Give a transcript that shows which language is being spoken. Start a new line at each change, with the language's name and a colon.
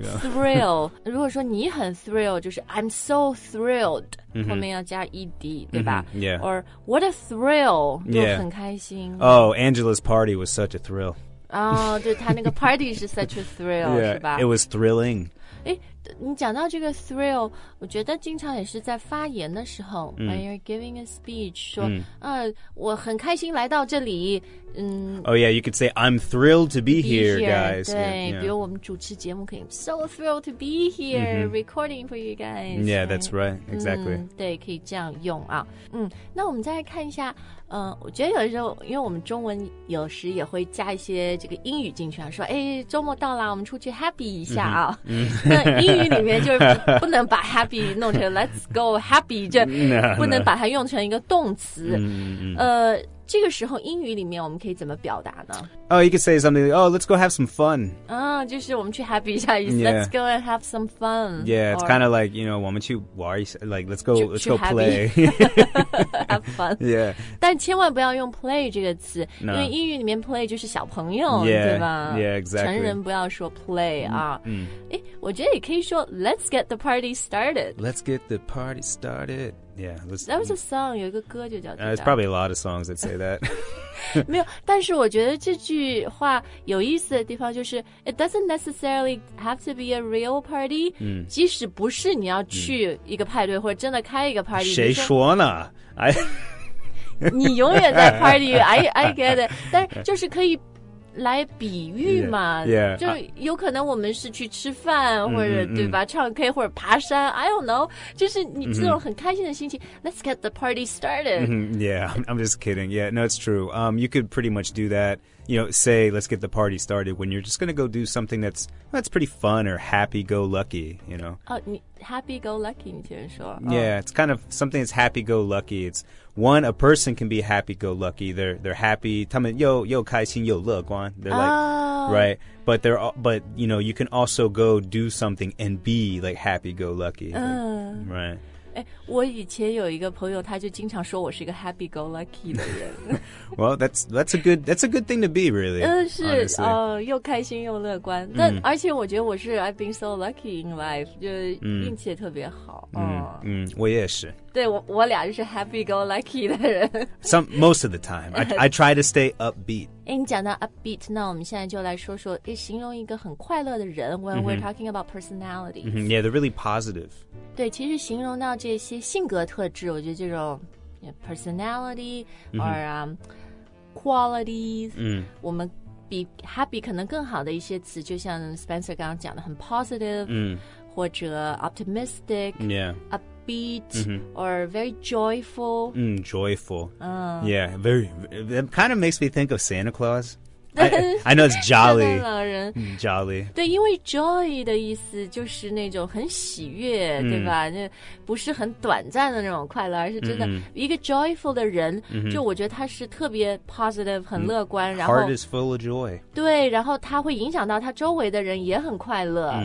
Chinese: Thrill 如果说你很 thrill 就是
English: I'm so thrilled、
Chinese: 后面要加 ED 对吧、
English: Or what a thrill
Chinese: 就、很开心
English: Oh Angela's party was such a thrill
Chinese: 对他那个 party 是
English: such a thrill
Chinese: 、是吧
English: It was thrilling
Chinese: 你讲到这个 thrill 我觉得经常也是在发言的时候、
English: when you're giving a speech
Chinese: 说、我很开心来到这里、
English: Oh yeah, you could say I'm thrilled to be here, guys
Chinese: 对 比如我们主持节目可以
English: So thrilled to be here、recording for you guys Yeah, that's right, exactly、
Chinese: 对可以这样用啊、那我们再来看一下我觉得有时候因为我们中文有时也会加一些这个英语进去啊说哎周末到了我们出去 happy 一下啊、那英语里面就是 不能把 happy 弄成 let's go happy 就不能把它用成一个动词 这个时候英语里面我们可以怎么表达呢
English: Oh, you could say something like, Oh, let's go have some fun
Chinese: 就是我们去 happy 一下意思
English: Let's go and have some fun Yeah, it's kind of like, you know,
Chinese: 我们去玩一下
English: Like, let's go play Have fun Yeah
Chinese: 但千万不要用 play 这个词、因为英语里面 play 就是小朋友
English: Yeah, exactly
Chinese: 成人不要说 play 啊、我觉得也可以说
English: Let's get the party started Let's get the party startedYeah, that was a song.
Chinese: 有一个歌就叫。
English: There's probably a lot of songs that say that.
Chinese: 没有，但是我觉得这句话有意思的地方就是 ，
English: it doesn't necessarily have to be a real party.、
Chinese: 即使不是你要去一个派对、或者真的开一个 party，谁说呢？你永远在 party.
English: I get it.
Chinese: 但是就是可以。来比喻嘛 就有可能我们是去吃饭或者对吧唱 K 或者爬山
English: I don't know
Chinese: 就是你这种很开心的心情
English: Let's get the party started Yeah, I'm just kidding Yeah, no, it's true You could pretty much do that You know, say let's get the party started When you're just gonna go do something that's pretty fun Or happy-go-lucky, you know Happy-go-lucky,
Chinese: 你听说、
English: Yeah, it's kind of something that's happy-go-lucky It's One, a person can be happy-go-lucky. They're happy.
Chinese: 他们又又开心又乐观
English: They're like,、
Chinese: right?
English: But you know, you can also go do something and be like happy-go-lucky. Right?
Chinese: 我以前有一个朋友，他就经常说我是一个 happy-go-lucky 的人。
English: well, that's a good thing to be, really.
Chinese: 是哦，又开心又乐观。那而且我觉得我是
English: I've been so lucky in life，
Chinese: 就运气也特别好。我也是。对我俩就是 happy-go-lucky 的人。
English: most of the time, I try to stay upbeat. 哎，你讲到 upbeat， 那我们现在就来说说，形容一个很快乐的人。 When we're talking about personality,、 yeah, they're really positive.
Chinese: 对，其实形容到这些性格特质，我觉得这种
English: personality or qualities，
Chinese: 我们比 happy 可能更好的一些词，就像 Spencer 刚刚讲的，很 positive，、或者 optimistic，
English: yeah。 Upbeat or very joyful. Joyful. Yeah, very. That kind of makes me think of Santa Claus. I know it's jolly.
Chinese: 圣诞老人
English: Jolly.
Chinese: 对，因为 joy 的意思就是那种很喜悦，对吧？就不是很短暂的那种快乐，而是真的一个 joyful 的人。就我觉得他是特别 positive， 很乐观。然后
English: heart is full of joy.
Chinese: 对，然后他会影响到他周围的人也很快乐。